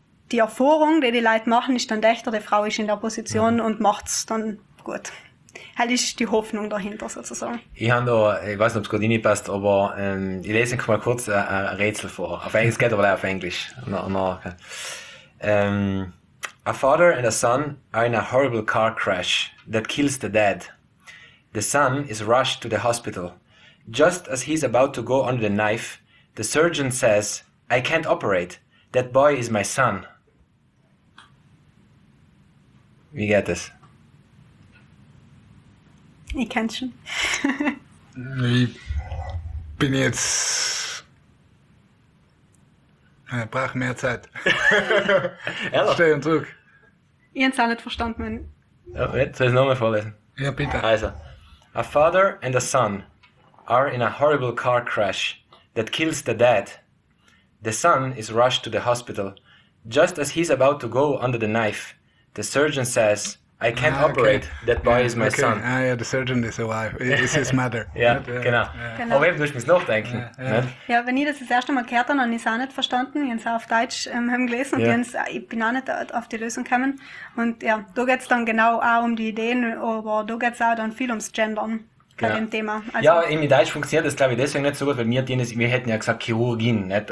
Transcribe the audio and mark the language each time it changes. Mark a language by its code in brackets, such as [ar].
[de] die Erfahrung, die die Leute machen, ist dann echter, die Frau ist in der Position und macht es dann gut. Halt ist die Hoffnung dahinter sozusagen. Ich habe da, ich weiß nicht, ob es gerade nicht passt, aber ich lese mal kurz ein Rätsel vor. Auf Englisch, es geht aber auf Englisch. [en] A father and a son are in a horrible car crash that kills the dad. The son is rushed to the hospital. Just as he's about to go under the knife, the surgeon says, I can't operate. That boy is my son. [de] Wie geht das? Ich kenn's schon. Ich bin jetzt... Ich brauche mehr Zeit. Stell und zurück. Ich hab's auch nicht verstanden. Mein... Oh, jetzt soll ich es nochmal vorlesen? Ja, bitte. Also, [en] a father and a son are in a horrible car crash that kills the dad. The son is rushed to the hospital. Just as he's about to go under the knife, the surgeon says, I can't operate. Okay. That boy is my son. Ah, yeah, the surgeon is alive. It's his mother. [de] Ja, genau. Aber eben, du musst nachdenken. Ja, wenn ich das das erste Mal gehört habe, habe ich es auch nicht verstanden. Ich habe es auch auf Deutsch gelesen und ich bin auch nicht auf die Lösung gekommen. Und ja, da geht es dann genau auch um die Ideen, aber da geht es auch dann viel ums Gendern. Bei dem Thema. Also, ja, in Deutsch funktioniert das, glaube ich, deswegen nicht so gut, weil wir hätten ja gesagt Chirurgin, nicht?